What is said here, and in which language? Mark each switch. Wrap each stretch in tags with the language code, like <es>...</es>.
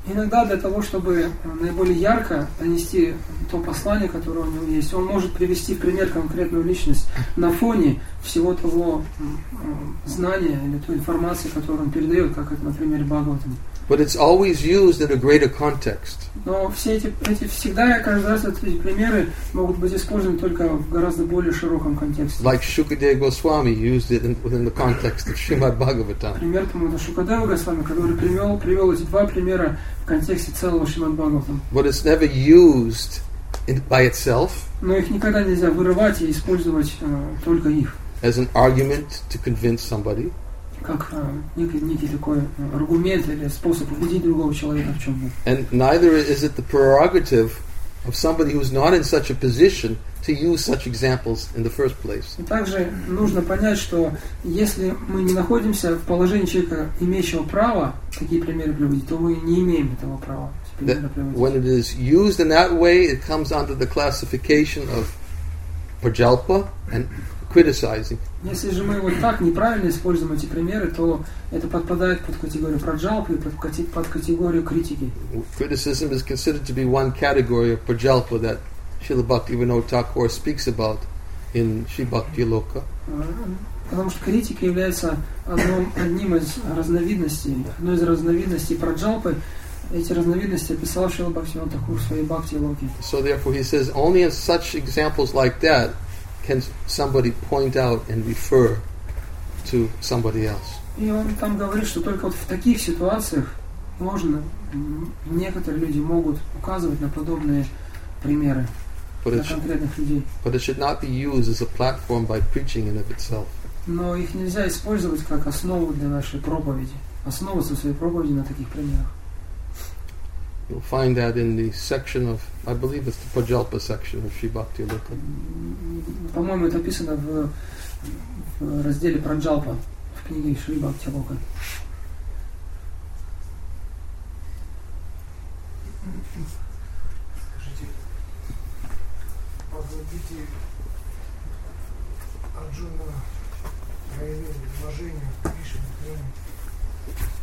<ru>Иногда для того, чтобы наиболее ярко донести то послание, которое у него есть, он может привести пример конкретную личность на фоне всего того знания или той информации, которую он передает, как это, например, Бхагаватам.</ru> <en>But it's always used in a greater context.</en> <ru>Но все эти всегда, каждый раз эти примеры могут быть использованы только в гораздо более широком контексте.</ru> <en>Like Shukadeva Goswami used it within the context of Srimad Bhagavatam.</en> <ru>Пример тому это Шукадева Госвами, который привел эти два примера в контексте целого Шримад Бхагаватам.</ru> <en>But it's never used by itself.</en> <ru>Но их никогда нельзя вырывать и использовать только их.</ru> <en>As an argument to convince somebody.</en> <ru>Как некий такой аргумент или способ убедить другого человека в чем-то.</ru> <en>And neither is it the prerogative of somebody who's not in such a position to use such examples in the first place.</en> <ru>И также нужно понять, что если мы не находимся в положении человека, имеющего право такие примеры приводить, то мы не имеем этого права.</ru> <en>When it is used in that way, it comes under the classification of prajalpa and criticizing.</en> <ru>Если же мы вот так неправильно используем эти примеры, то это подпадает под категорию праджалпы и под категорию критики.</ru> <en>Criticism is considered to be one category of prajalpa that Srila Bhaktivinoda Thakur speaks about in Sri Bhakti Loka.</en> <ru>Потому что критика является одной из разновидностей праджалпы. Эти разновидности описал Шрила Бхактивинода Такур в своей Бхакти Локе.</ru> <en>So therefore he says only in such examples like that can somebody point out and refer to somebody else.</en> <ru>И он там говорит, что только вот в таких ситуациях можно, некоторые люди могут указывать на подобные примеры для конкретных людей.</ru> <en>But it should not be used as a platform by preaching in of itself.</en> <ru>Но их нельзя использовать как основу для нашей проповеди. Основываться в своей проповеди на таких примерах.</ru> <en>You'll find that in the section of, I believe it's the Pajalpa section of Sri Bhakti Loka.</en> <ru>По-моему, это описано в разделе Праджалпа в книге Шри Бхакти Лока. Скажите, позвольте Арджуна проявить уважение к Кришне, прямо.</ru>